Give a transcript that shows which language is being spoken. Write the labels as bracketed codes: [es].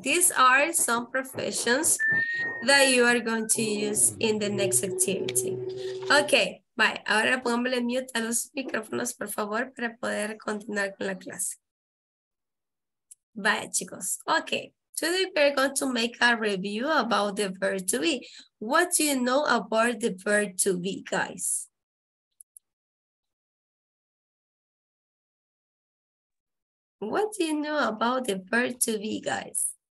[en] These are some professions that you are going to use in the next activity. Okay, bye. [es] Ahora pónganle mute a los micrófonos, por favor, para poder continuar con la clase. Bye, chicos. [en] Okay, today we're going to make a review about the verb to be. What do you know about the verb to be, guys? What do you know about the verb to be, guys?